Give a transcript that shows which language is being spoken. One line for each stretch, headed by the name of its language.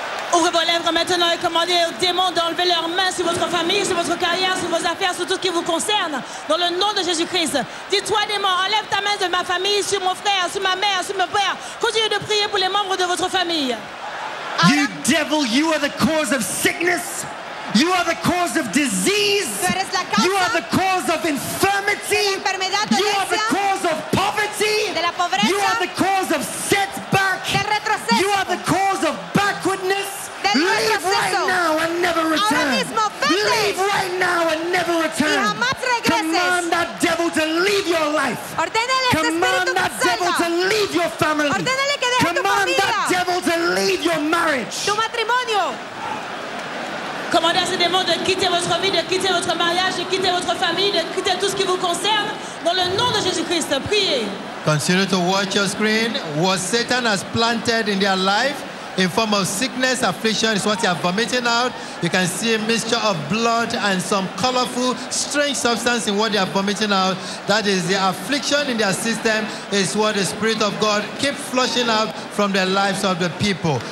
French: Ouvrez vos lèvres maintenant et commandez aux démons d'enlever leurs mains sur votre famille, sur votre carrière, sur vos affaires, sur tout ce qui vous concerne, dans le nom de Jésus-Christ. Dis-toi, démon, enlève ta main de ma famille, sur mon frère, sur ma mère, sur mon père. Continuez de prier pour les membres de votre famille.
English: You devil, you are the cause of sickness. You are the cause of disease.
Spanish: Tu eres la causa.
English: You are the cause of infirmity.
Spanish: De la enfermedad, de la
English: you are the cause of poverty.
Spanish: De la pobreza.
English: You are the cause of setback.
Spanish: Del retroceso.
English: You are the cause of backwardness. Leave right now and never return. Leave right now and never return. Command that devil to leave your life. Command that devil to leave your family. Command that devil to leave your marriage.
Spanish: Tu matrimonio.
French: Commandez à ce démon de quitter votre vie, de quitter votre mariage, de quitter votre famille, de quitter tout ce qui vous concerne. Dans le nom de Jésus-Christ, priez.
English: Continue to watch your screen. What Satan has planted in their life in form of sickness, affliction, is what you are vomiting out. You can see a mixture of blood and some colorful, strange substance in what they are vomiting out. That is the affliction in their system, is what the Spirit of God keeps flushing out from the lives of the people.